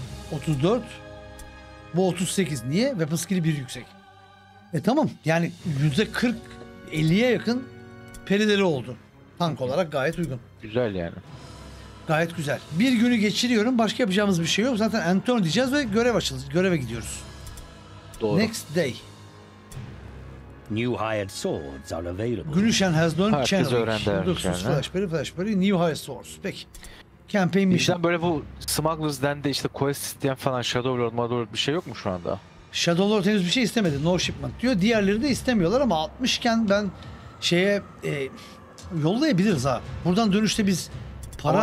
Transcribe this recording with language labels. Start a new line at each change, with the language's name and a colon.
Turkish: 34. Bu 38. Niye? Weapon skill'i 1 yüksek. E tamam. Yani %40-50'ye yakın perileri oldu. Tank olarak gayet uygun. Güzel yani. Gayet güzel. Bir günü geçiriyorum. Başka yapacağımız bir şey yok. Zaten end turn diyeceğiz ve görev açılır. Göreve gidiyoruz. Doğru.
English: Next day. New hired swords are available. Gülüşen has done channeling.
Turkish: Herkes öğrendi. Flash peri.
English: New hired swords.
Turkish: Peki. Campaign mission. Bizden böyle bu smugglers'den de işte quest isteyen falan Shadowlord, Madlord bir şey yok mu şu anda? Shadowlord henüz bir şey istemedi.
English: No shipment
Turkish: diyor. Diğerleri de istemiyorlar ama 60 iken ben şeye yollayabiliriz ha. Buradan dönüşte biz para...